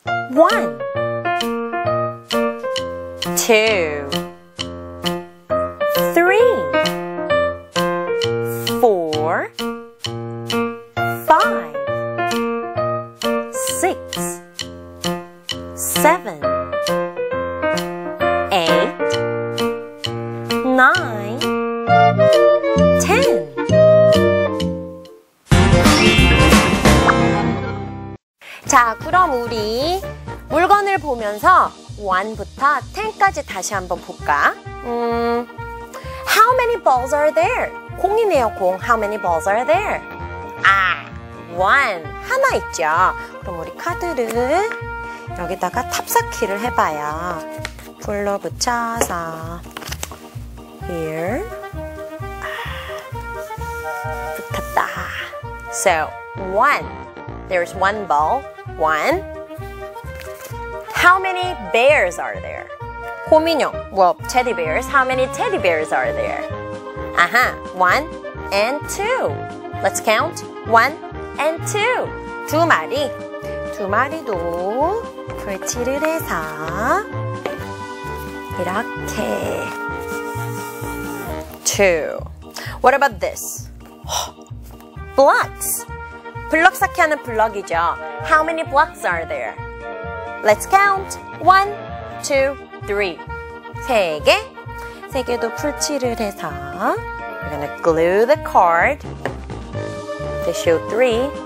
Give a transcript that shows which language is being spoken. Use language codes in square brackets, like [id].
[en] 1, 2, 3, 4, 5, 6, 7, 8, 9, 10. From [ko] 우리 물건을 보면서 1부터 10까지 다시 한번 볼까? [en] How many balls are there? [ko] 공이네요, 공. [en] How many balls are there? [ko] 아, 1. 하나 있죠. 그럼 우리 카드를 여기다가 탑사키를 해봐요. 불러 붙여서. [en] Here. [ko] 아, 붙었다. [en] So, 1. There's 1 ball. 1. How many bears are there? [ko] 곰인형. [en] Well, teddy bears. How many teddy bears are there? Aha. Uh-huh. 1 and 2. Let's count. 1 and 2. [ko] 두 마리. 두 마리도 불치를 해서 이렇게. [en] 2. What about this? Blocks. [ko] 블럭 쌓기 하는 블럭이죠. [en] How many blocks are there? Let's count. 1, 2, 3. [ko] 세 개. 세 개도 풀칠을 해서 [en] We're gonna glue the card to show 3.